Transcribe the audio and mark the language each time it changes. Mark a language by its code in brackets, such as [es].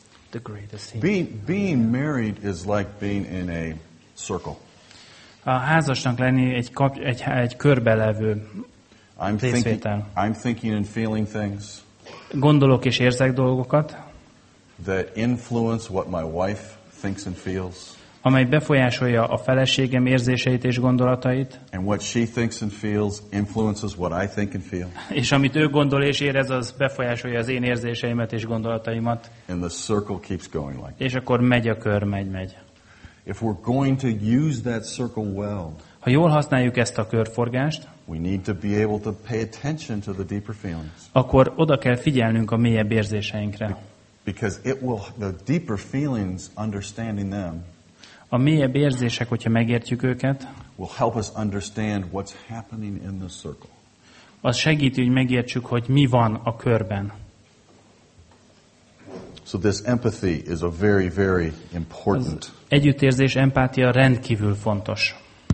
[en] The greatest thing. Being married is like being in a circle. [hu] A házasnak lenni egy körbe levő. [en] I'm thinking and feeling things. [hu] Gondolok és érzek dolgokat. [en] That influence what my wife thinks and feels. [hu] Amely befolyásolja a feleségem érzéseit és gondolatait. [en] And what she thinks and feels influences what I think and feel. [hu] És amit ő gondol és érez, az befolyásolja az én érzéseimet és gondolataimat. [en] And the circle keeps going like. [hu] És akkor megy a kör, megy. [en] If we're going to use that circle well. [hu] Ha jól használjuk ezt a körforgást, [en] we need to be able to pay attention to the deeper feelings. [hu] Akkor oda kell figyelnünk a mélyebb érzéseinkre. [en] Because it will the deeper feelings understanding them. [hu] A mélyebb érzések, hogyha megértjük őket, [en] will help us understand what's happening in the circle. [hu] Az segíti, hogy megértsük, hogy mi van a körben. [en] So this empathy is a very, very important. [hu] Együttérzés, empátia rendkívül fontos.